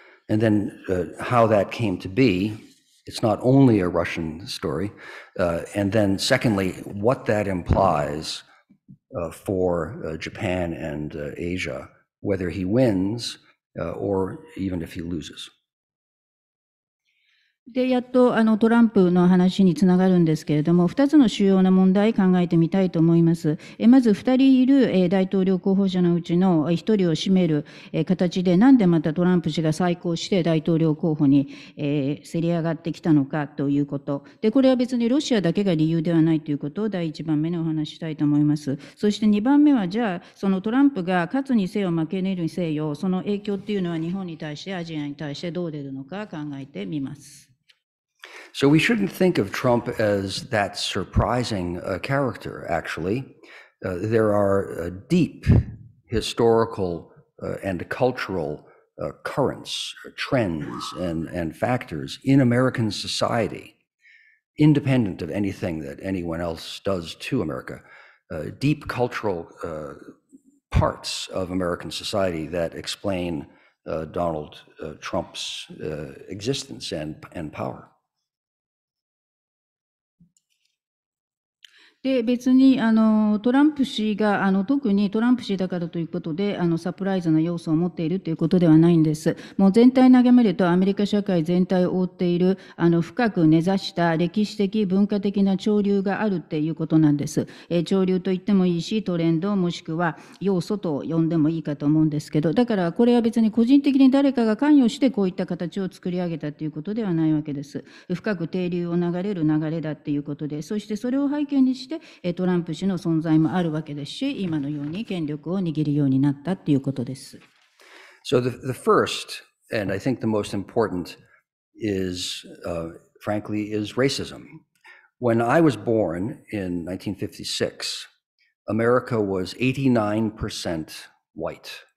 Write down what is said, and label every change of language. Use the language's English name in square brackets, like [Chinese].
[English] And then how that came to be. It's not only a Russian story. And then secondly, what that implies for Japan and Asia, whether he wins or even if he loses. [Japanese] で、やっとトランプの話につながるんですけれども、2つの主要な問題考えてみたいと思います。まず2人いる大統領候補者のうちの1人を占める形で、なんでまたトランプ氏が再考して大統領候補に競り上がってきたのかということ。で、これは別にロシアだけが理由ではないということを第1番目にお話したいと思います。そして2番目は、じゃあそのトランプが勝つにせよ負けるにせよ、その影響っていうのは日本に対してアジアに対してどう出るのか考えてみます。 [English] So we shouldn't think of Trump as that surprising a character, actually. There are deep historical and cultural currents, trends, and factors in American society, independent of anything that anyone else does to America, deep cultural parts of American society that explain Donald Trump's existence and power. [Japanese] で、別にトランプ氏が特にトランプ氏だからということでサプライズな要素を持っているということではないんです。もう全体眺めるとアメリカ社会全体を覆っている深く根ざした歴史的文化的な潮流があるっていうことなんです。潮流と言ってもいいし、トレンドもしくは要素と呼んでもいいかと思うんですけど、だからこれは別に個人的に誰かが関与してこういった形を作り上げたということではないわけです。深く底流を流れる流れだっていうことで、そしてそれを背景にしてトランプ氏の存在もあるわけですし、今のように権力を握るようになったということです。 [English] So the first, and I think the most important, is, frankly, is racism. When I was born in 1956, America was 89% white.